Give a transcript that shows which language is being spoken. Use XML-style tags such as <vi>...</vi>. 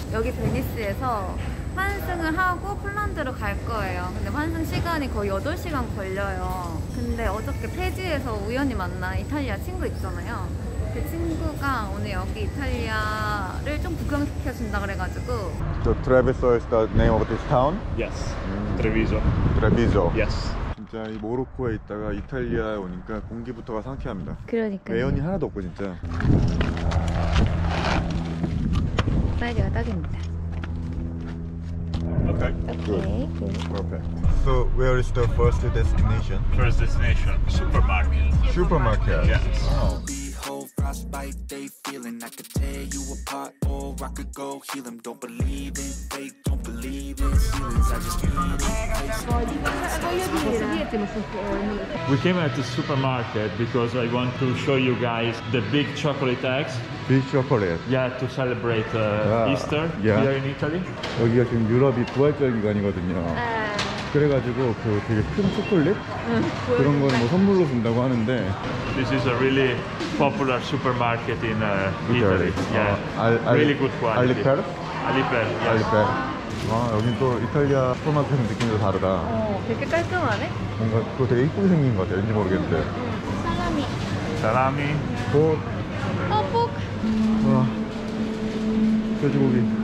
<ko>여기 베니스에서 환승을 하고 폴란드로 갈 거예요. 근데 환승 시간이 거의 8시간 걸려요. 근데 어저께 페지에서 우연히 만나 이탈리아 친구 있잖아요. 그 친구가 오늘 여기 이탈리아를 좀 구경시켜 준다 그래가지고.</ko> <en>So Treviso is the name of this town? Yes. Treviso. Treviso. Yes.</en> <ko>진짜 이 모로코에 있다가 이탈리아에 오니까 공기부터가 상쾌합니다. 그러니까요. 매연이 하나도 없고 진짜. 이탈리아 딱입니다.</ko> <en>Okay. Good. Okay. Perfect. So, where is the first destination? First destination, supermarket. Supermarket. Yes. Behold, frostbite, they feeling. I could tear you apart, or I could go heal them. Don't believe in fake. Don't believe in feelings. I just need it. We came at the supermarket because I want to show you guys the big chocolate eggs. Big chocolate. Yeah, to celebrate Easter here in Italy.</en> <ko>여기가 지금 유럽이 부활절 기간이거든요. 그래가지고 그 되게 큰 초콜릿 그런 거는 뭐 선물로 준다고 하는데.</ko> <en>This is a really popular supermarket in Italy. Yeah, really good quality. Aliper. Aliper. Aliper.</en> <ko>와, 여긴 또 이탈리아 슈퍼마켓은 느낌도 다르다. 되게 깔끔하네. 뭔가 또 되게 이쁘게 생긴 것 같아. 왠지 모르겠는데. 사람이. 사람이. 꼭. 꼭. 와. 돼지고기.</ko>